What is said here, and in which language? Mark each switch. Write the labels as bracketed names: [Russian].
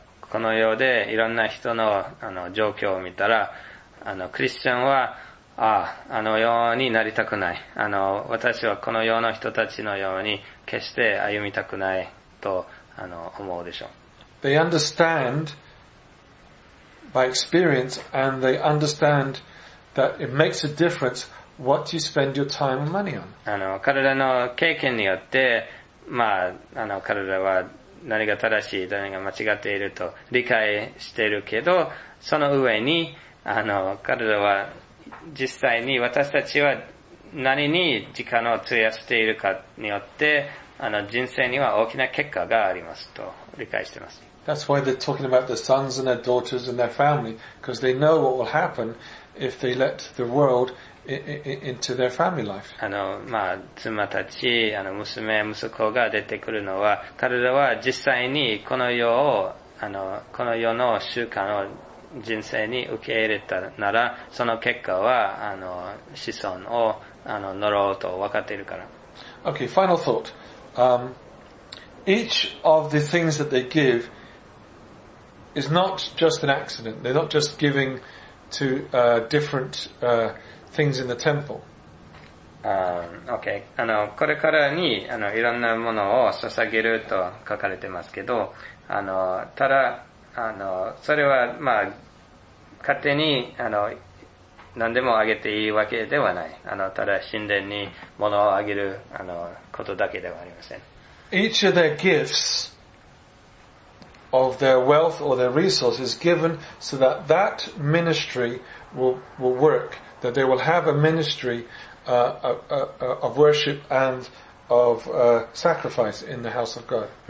[Japanese] この世でいろんな人の状況を見たら、クリスチャンは、あの世になりたくない。私はこの世の人たちのように決して歩みたくないと思うでしょう。 [English] They understand. By experience, and they understand that it makes a difference what you spend your time and money on. [Japanese] 彼らの経験によって、彼らは何が正しい、何が間違っていると理解しているけど、その上に、彼らは実際に私たちは何に時間を費やしているかによって、人生には大きな結果がありますと理解しています。 [English] That's why they're talking about their sons and their daughters and their family, because they know what will happen if they let the world into their family life. [Japanese] 妻たち、娘、息子が出てくるのは、彼らは実際にこの世を、この世の習慣を人生に受け入れたなら、その結果は、子孫を、呪うと分かっているから。 [English] Okay, final thought. Each of the things that they give,is not just an accident. They're not just giving to different things in the temple. Okay. [Japanese] これからに、いろんなものを捧げると書かれてますけど、ただ、それは、まあ、勝手に、何でもあげていいわけではない。ただ、神殿に物をあげる、ことだけではありません。 [English] Each of their gifts of their wealth or their resources given so that that ministry will work, that they will have a ministry of worship and of sacrifice in the house of God.